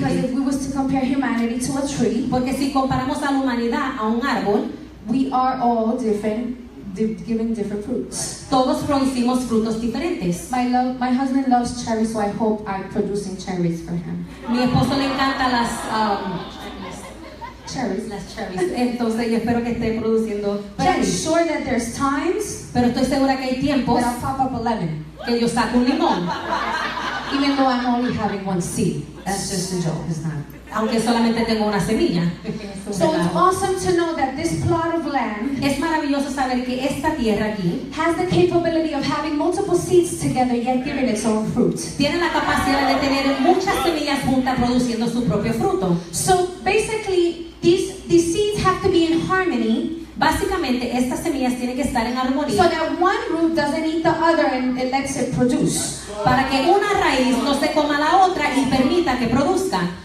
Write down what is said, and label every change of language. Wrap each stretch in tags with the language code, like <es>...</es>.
<en>Because if we were to compare humanity to a tree,</en> <es>porque si comparamos a la humanidad a un árbol,</es> <en>we are all different, giving different fruits.</en> <es>Todos producimos frutos diferentes.</es> <en>My husband loves cherries, so I hope I'm producing cherries for him.</en> <es>Mi esposo le encanta las</es> <en>cherries.</en> <es>Entonces, yo espero que esté produciendo.</es> <en>But I'm sure that there's times,</en> <es>pero estoy segura que hay tiempos,</es> <en>that I'll pop up a lemon,</en> <es>que yo saco un limón.</es> <en>Even though I'm only having one seed, that's just a joke, it's not.</en> <es>Aunque solamente tengo una semilla.</es> <en>So it's awesome to know that this plot of land,</en> <es>es maravilloso saber que esta tierra aquí,</es> <en>has the capability of having multiple seeds together yet giving its own fruit.</en> <es>Tiene la capacidad de tener muchas semillas juntas produciendo su propio fruto.</es> <en>So basically, these seeds have to be in harmony.</en> <es>Básicamente, estas semillas tienen que estar en armonía.</es> <en>So that one root doesn't eat the other and it lets it produce.</en> <es>Para que una raíz no se coma la otra y permita que produzca.</es>